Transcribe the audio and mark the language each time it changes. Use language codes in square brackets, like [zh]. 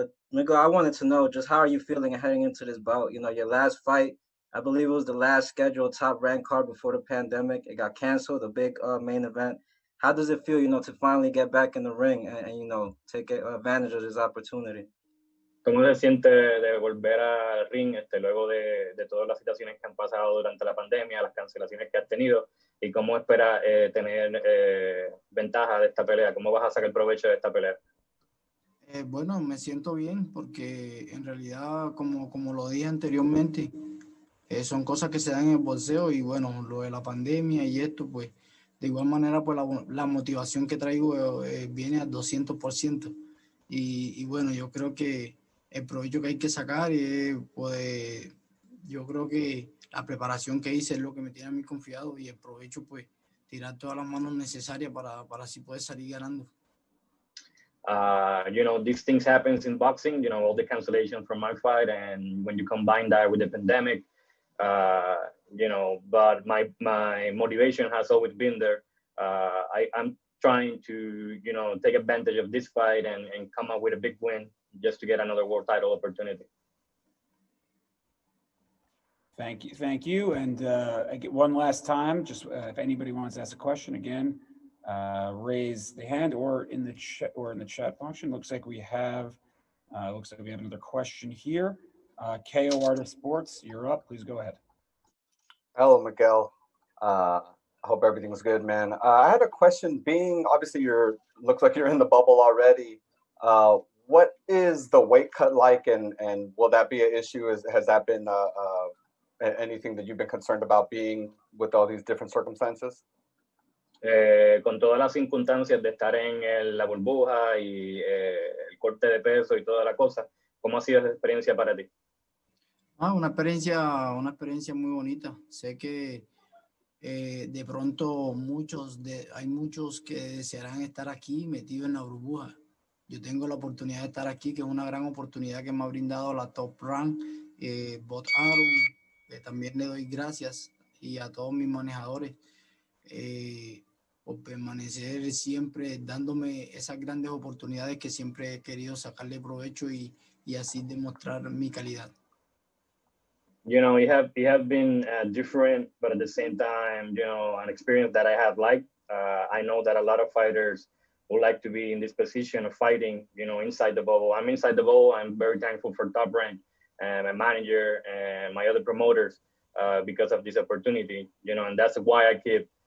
[en] Miguel, I wanted to know just how are you feeling heading into this bout? You know, your last fight, I believe it was the last scheduled top ranked card before the pandemic. It got canceled, the big main event. How does it feel, you know, to finally get back in the ring and you know, take advantage of this opportunity? [es] ¿Cómo se siente de volver al ring luego de todas las situaciones que han pasado durante la pandemia, las cancelaciones que has tenido, y cómo espera tener ventaja de esta pelea? ¿Cómo vas a sacar provecho de esta pelea? Bueno, me siento bien porque en realidad, como lo dije anteriormente, son cosas que se dan en el boxeo y bueno, lo de la pandemia y esto, pues, de igual manera, pues la motivación que traigo viene al 200%. Y bueno, yo creo que el provecho que hay que sacar es, pues, yo creo que la preparación que hice es lo que me tiene a mí confiado y el provecho, pues, tirar todas las manos necesarias para así poder salir ganando. [en] You know, these things happen in boxing, you know, all the cancellations from my fight, and when you combine that with the pandemic, you know, but my motivation has always been there. I'm trying to, you know, take advantage of this fight and come up with a big win just to get another world title opportunity. Thank you. And one last time, just if anybody wants to ask a question again, raise the hand or in the chat function. Looks like we have another question here. KO Artist Sports, you're up. Please go ahead. Hello, Miguel. I hope everything's good, man. I had a question. Being obviously, you're in the bubble already. What is the weight cut like, and will that be an issue? Has that been anything that you've been concerned about being with all these different circumstances? [es] Con todas las circunstancias de estar en la burbuja y el corte de peso y toda la cosa, ¿cómo ha sido esa experiencia para ti? Una experiencia muy bonita. Sé que de pronto hay muchos que desearán estar aquí metidos en la burbuja. Yo tengo la oportunidad de estar aquí, que es una gran oportunidad que me ha brindado la Top Rank, Bot Arum. También le doy gracias y a todos mis manejadores por permanecer siempre dándome esas grandes oportunidades que siempre he querido sacarle provecho y así demostrar mi calidad. [en] You know, you have been different, but at the same time, you know, an experience that I have liked. I know that a lot of fighters would like to be in this position of fighting, you know, inside the bubble. I'm inside the bubble. I'm very thankful for Top Rank and my manager and my other promoters because of this opportunity, you know, and that's why I keep